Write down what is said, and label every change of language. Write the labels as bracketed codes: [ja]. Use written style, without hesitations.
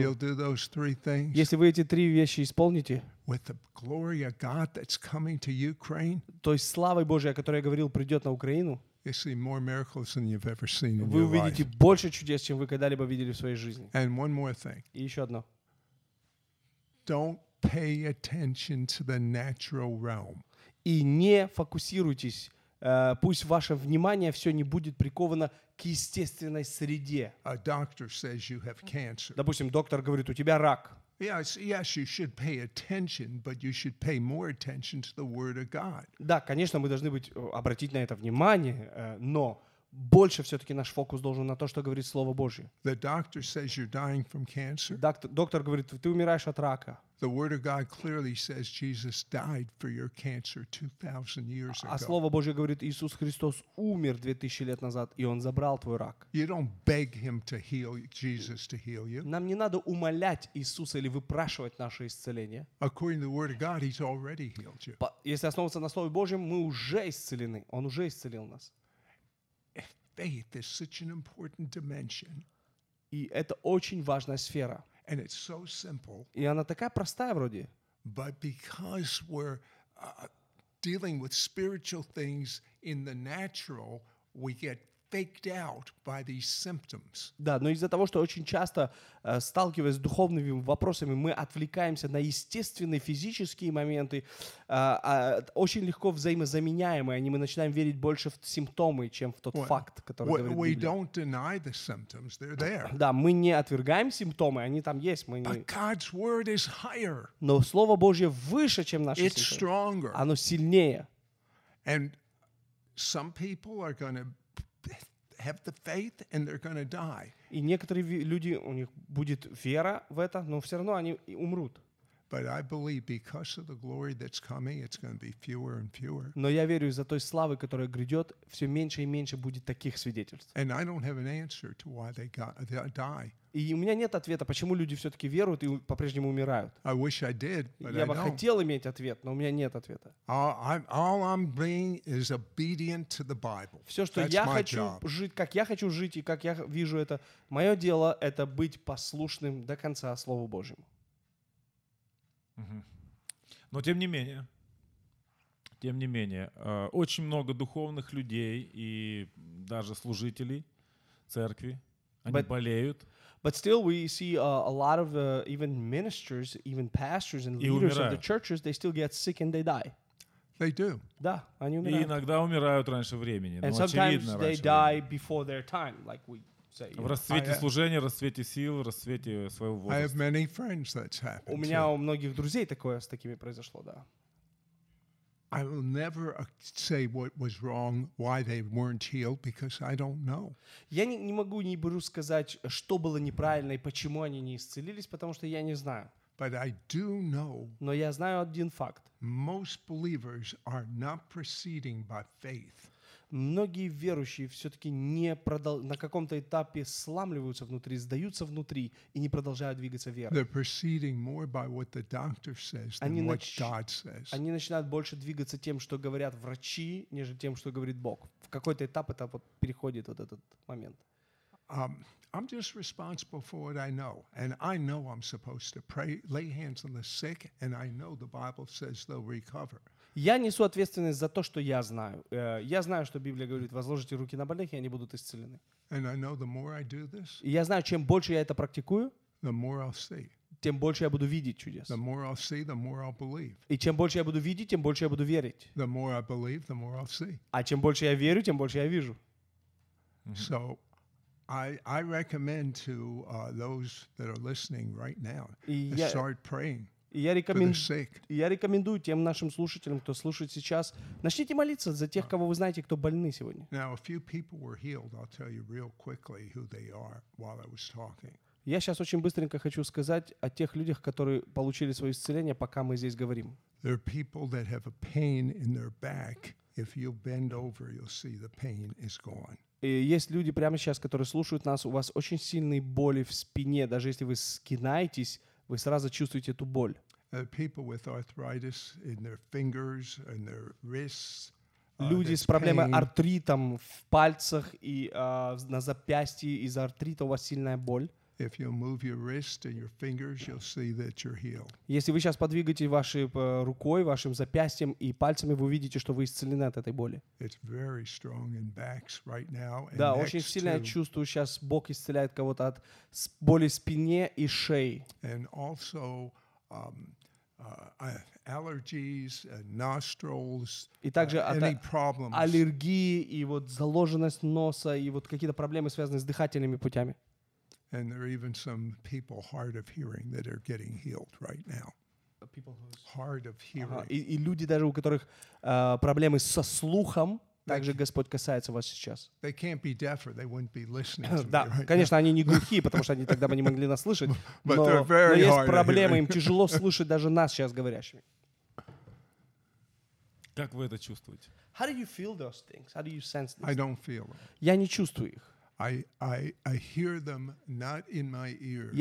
[en] If you'll do those three things. [ru] Если вы эти три вещи исполните. [en] With the glory of God that's coming to Ukraine. [ru] То есть славой Божьей, о которой я говорил, придет на Украину. [en] You see more miracles than you've ever seen in your life. [ru] Вы увидите больше чудес, чем вы когда-либо видели в своей жизни. [en] And one more thing. [ru] И еще одно. [en] Don't pay attention to the natural realm. [ru] И не фокусируйтесь. Пусть ваше внимание все не будет приковано к естественной среде. [en] A doctor says you have cancer. [ru] Допустим, доктор говорит, у тебя рак. [en] Yes, you should pay attention, but you should pay more attention to the Word of God. [ru] Да, конечно, мы должны быть обратить на это внимание, но больше все-таки наш фокус должен на то, что говорит Слово Божье. [en] The doctor says you're dying from cancer. [ru] Доктор говорит, ты умираешь от рака. [en] The Word of God clearly says Jesus died for your cancer 2,000 years ago. [ru] А Слово Божье говорит, Иисус Христос умер 2000 лет назад, и Он забрал твой рак. [en] You don't beg Him to heal Jesus to heal you. [ru] Нам не надо умолять Иисуса или выпрашивать наше исцеление. [en] According to the Word of God, He's already healed you. [ru] Если основываться на Слове Божьем, мы уже исцелены. Он уже исцелил нас. [en] Faith is such an important dimension. [ru] И это очень важная сфера. [en] And it's so simple. [ru] И она такая простая вроде. [en] But because we're dealing with spiritual things in the natural, we get faked out by these symptoms. [ru] Да, но из-за того, что очень часто сталкиваясь с духовными вопросами, мы отвлекаемся на естественные физические моменты, очень легко взаимозаменяемые, они мы начинаем верить больше в симптомы, чем в тот факт, который говорит Библия. [en] We don't deny the symptoms, they're there. [ru] Да, мы не отвергаем симптомы, они там есть, мы не. [en] But God's word is higher. [ru] Но Слово Божье выше, чем наши симптомы. [en] It's stronger. [ru] Оно сильнее. [en] And some people are going to have the faith and they're going to die. [ru] И некоторые люди, у них будет вера в это, но все равно они умрут. [en] But I believe because of the glory that's coming, it's going to be fewer and fewer. [ru] Но я верю, из-за той славы, которая грядет, все меньше и меньше будет таких свидетельств. [en] And I don't have an answer to why they die. [ru] И у меня нет ответа, почему люди все-таки веруют и по-прежнему умирают. [en] I wish I did, but [ru] я бы хотел иметь ответ, но у меня нет ответа. [en] All I'm being is obedient to the Bible. [ru] Все, что [en] That's [ru] я хочу жить, как я хочу жить и как я вижу это, мое дело — это быть послушным до конца Слову Божьему. Но тем не менее, очень много духовных людей и даже служителей церкви, они болеют. [en] But still we see a lot of even ministers, even pastors and leaders of the churches, they still get sick and they die. They do. [ru] Да, они умирают. И иногда умирают раньше времени. [en] And sometimes they die before their time, like we say. [ru] В расцвете служения, расцвете сил, расцвете своего возраста. [en] I have many friends that's happened. [ru] У меня у многих друзей такое с такими произошло, да. [en] I will never say what was wrong, why they weren't healed, because I don't know. [ru] Я не могу не беру сказать, что было неправильно и почему они не исцелились, потому что я не знаю. [en] But I do know. [ru] Но я знаю один факт. [en] Most believers are not proceeding by faith. [ru] Многие верующие все-таки не на каком-то этапе сламливаются внутри, сдаются внутри и не продолжают двигаться верой. [en] They're proceeding more by what the doctor says than what God says. [ru] Они начинают больше двигаться тем, что говорят врачи, нежели тем, что говорит Бог. В какой-то этап это вот переходит вот этот момент. [en] I'm just responsible for what I know, and I know I'm supposed to pray, lay hands on the sick, and I know the Bible says they'll recover. [ru] Я несу ответственность за то, что я знаю. Я знаю, что Библия говорит, возложите руки на больных, и они будут исцелены. И я знаю, чем больше я это практикую, тем больше я буду видеть чудес. И чем больше я буду видеть, тем больше я буду верить. А чем больше я верю, тем больше я вижу. [en] So, I recommend to those that are listening right now to start praying. [ru] Я рекомендую тем нашим слушателям, кто слушает сейчас, начните молиться за тех, кого вы знаете, кто больны сегодня. [en] Now, a few people were healed. I'll tell you real quickly who they are while I was talking. [ru] Я сейчас очень быстренько хочу сказать о тех людях, которые получили свое исцеление, пока мы здесь говорим. [en] There are people that have a pain in their back. If you bend over, you'll see the pain is gone. [ru] И есть люди прямо сейчас, которые слушают нас, у вас очень сильные боли в спине, даже если вы скинаетесь, вы сразу чувствуете эту боль. [en] People with arthritis in their fingers and their wrists. [ru] Люди с проблемой артритом в пальцах и на запястье из-за артрита у вас сильная боль. [en] If you move your wrist and your fingers, you'll see that you're healed. [ru] Если вы сейчас подвигаете вашей рукой, вашим запястьем и пальцами, вы увидите, что вы исцелены от этой боли. [en] It's very strong in backs right now. [ru] Да, очень сильно я чувствую сейчас, Бог исцеляет кого-то от боли в спине и шеи. [en] And also allergies, nostrils, any problems. [ru] Аллергии и вот заложенность носа и вот какие-то проблемы, связанные с дыхательными путями. [en] And there are even some people hard of hearing that are getting healed right now. People who are hard of hearing. [ru] И люди даже у которых проблемы со слухом, также Господь касается вас сейчас. [en] They can't be deaf or they wouldn't be listening to me, [ru] да, [en] right? [ru] Конечно, они не глухие, потому что они тогда бы не могли нас слышать. Но есть проблемы, им тяжело слышать даже нас сейчас говорящими. Как вы это чувствуете? [en] How do you feel those things? How do you sense these? I don't feel them. [ru] Я не чувствую их. [en] I hear them not in my ears.